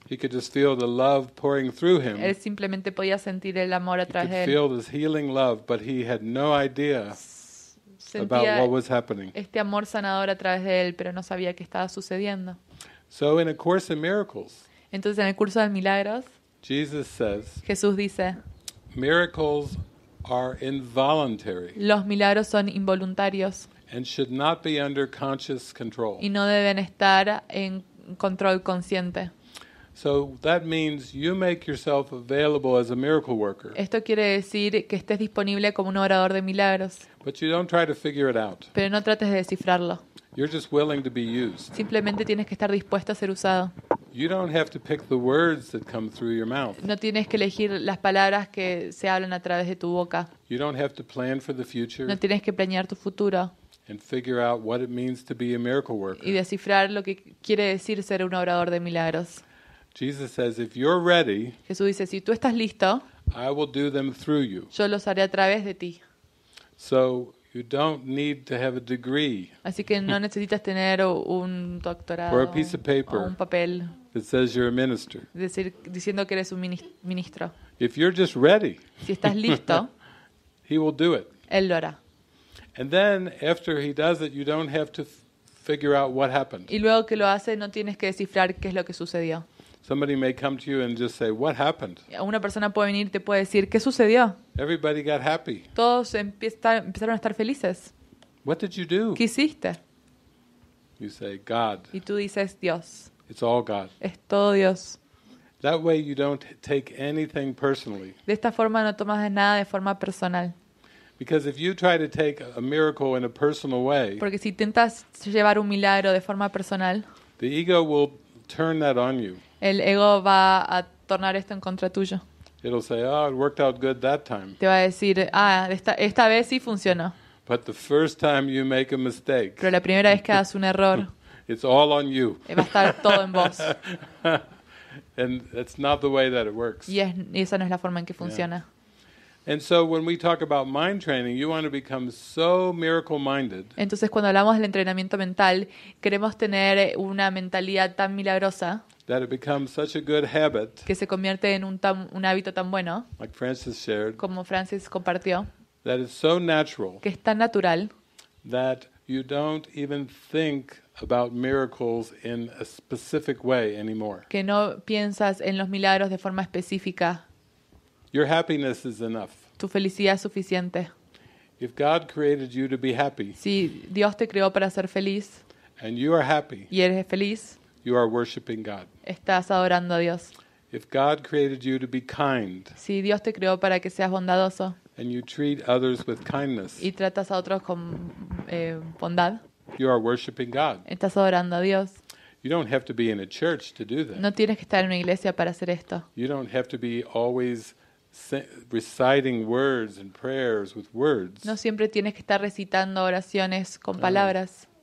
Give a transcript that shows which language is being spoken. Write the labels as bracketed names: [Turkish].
[English] He could just feel the love pouring through him. [Spanish] Él simplemente podía sentir el amor a través de él. [English] He could feel this healing love, but he had no idea [Spanish] sentía [English] about what was happening. [Spanish] Este amor sanador a través de él, pero no sabía qué estaba sucediendo. [English] So in A Course in Miracles, [Spanish] entonces en el curso de milagros, [English] Jesus says, [Spanish] Jesús dice, [English] miracles are involuntary. [Spanish] Los milagros son involuntarios. [English] And should not be under conscious control. [Spanish] Y no deben estar en control consciente. [English] So that means you make yourself available as a miracle worker. [Spanish] Esto quiere decir que estés disponible como un obrador de milagros. [English] But you don't try to figure it out. [Spanish] Pero no trates de descifrarlo. [English] You're just willing to be used. [Spanish] Simplemente tienes que estar dispuesto a ser usado. [English] You don't have to pick the words that come through your mouth. [Spanish] No tienes que elegir las palabras que se hablan a través de tu boca. [English] You don't have to plan for the future. [Spanish] No tienes que planear tu futuro. [English] And figure out what it means to be a miracle worker. [Spanish] Y descifrar lo que quiere decir ser un obrador de milagros. [English] Jesus says, if you're ready, [Spanish] Jesús dice, si tú estás listo, [English] I will do them through you. [Spanish] Yo los haré a través de ti. [English] So you don't need to have a degree. [Spanish] Así que no necesitas tener un doctorado. [English] Or a piece of paper. [Spanish] O un papel. [English] That says you're a minister. [Spanish] Decir, diciendo que eres un ministro. [English] If you're just ready. [Spanish] Si estás listo. [English] He will do it. [Spanish] Él lo hará. [English] And then after he does it, you don't have to figure out what happened. [Spanish] Y luego que lo hace, no tienes que descifrar qué es lo que sucedió. [English] Somebody may come to you and just say, what happened? [Spanish] Una persona puede venir y te puede decir, ¿qué sucedió? [English] Everybody got happy. [Spanish] Todos empezaron a estar felices. [English] What did you do? [Spanish] ¿Qué hiciste? [English] You say, God. [Spanish] Y tú dices, Dios. [English] It's all God. [Spanish] Es todo Dios. [English] That way you don't take anything personally. [Spanish] De esta forma no tomas nada de forma personal. [English] Because if you try to take a miracle in a personal way, [Spanish] porque si intentas llevar un milagro de forma personal, [English] the ego will turn that on you. [Spanish] El ego va a tornar esto en contra tuyo. [English] It'll say, "Oh, it worked out good that time." [Spanish] Te va a decir, "Ah, esta vez sí funcionó." [English] But the first time you make a mistake, [Spanish] pero la primera vez que haces un error, [English] it's all on you. [Spanish] Va a estar todo en vos. [English] And that's not the way that it works. [Spanish] Y esa no es la forma en que funciona. [English] Yeah. And so when we talk about mind training, you want to become so miracle-minded. [Spanish] Entonces cuando hablamos del entrenamiento mental, queremos tener una mentalidad tan milagrosa. [English] That it becomes such a good habit. [Spanish] Que se convierte en un hábito tan bueno. [English] Like Francis shared. [Spanish] Como Francis compartió. [English] That is so natural. [Spanish] Que es tan natural. [English] That you don't even think about miracles in a specific way anymore. [Spanish] Que no piensas en los milagros de forma específica. [English] Your happiness is enough. [Spanish] Tu felicidad es suficiente. [English] If God created you to be happy, [Spanish] si Dios te creó para ser feliz, [English] and you are happy, [Spanish] y eres feliz, [English] you are worshiping God. [Spanish] Estás adorando a Dios. [English] If God created you to be kind, [Spanish] si Dios te creó para que seas bondadoso, [English] and you treat others with kindness, [Spanish] y tratas a otros con bondad, [English] you are worshiping God. [Spanish] Estás adorando a Dios. [English] You don't have to be in a church to do that. [Spanish] No tienes que estar en una iglesia para hacer esto. [English] You don't have to be always reciting words and prayers with words. [Spanish] No siempre tienes que estar recitando oraciones con palabras.